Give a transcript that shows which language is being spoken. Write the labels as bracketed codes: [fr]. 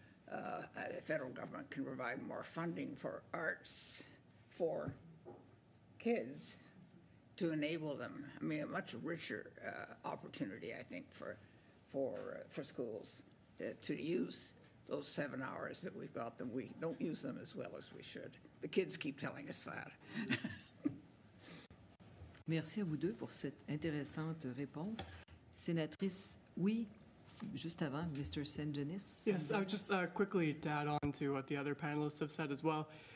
[en] The federal government can provide more funding for arts for kids to enable them. I mean, a much richer opportunity, I think, for schools to use those 7 hours that we've got them. We don't use them as well as we should. The kids keep telling us that. [fr] Merci à vous deux pour cette intéressante réponse. Sénatrice, oui, Juste avant, Mr. Sengenis. [en] Yes, I would just quickly to add on to what the other panelists have said as well.